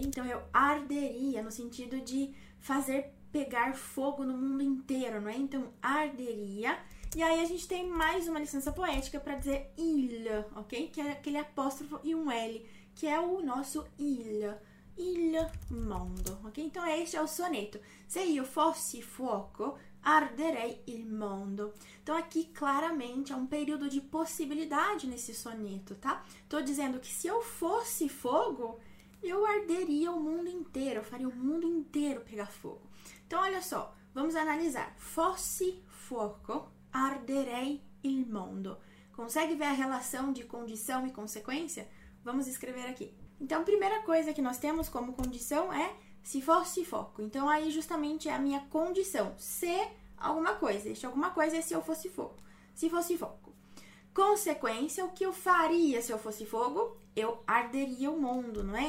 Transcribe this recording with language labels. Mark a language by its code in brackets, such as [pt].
[pt] Então, eu arderia no sentido de fazer pegar fogo no mundo inteiro, não é? Então, arderia. E aí, a gente tem mais uma licença poética para dizer il, ok? Que é aquele apóstrofo e um L, que é o nosso [it] il mondo, [pt] ok? Então, este é o soneto. [it] Se io fossi fuoco, arderei il mondo. [pt] Então, aqui claramente é um período de possibilidade nesse soneto, tá? Tô dizendo que se eu fosse fogo, eu arderia o mundo inteiro, eu faria o mundo inteiro pegar fogo. Então, olha só, vamos analisar. [it] Fossi fuoco, arderei il mondo. [pt] Consegue ver a relação de condição e consequência? Vamos escrever aqui. Então, a primeira coisa que nós temos como condição é se fosse fogo. Então, aí justamente é a minha condição. Se alguma coisa, este alguma coisa é se eu fosse fogo. Se fosse fogo. Consequência, o que eu faria se eu fosse fogo? Eu arderia o mundo, não é?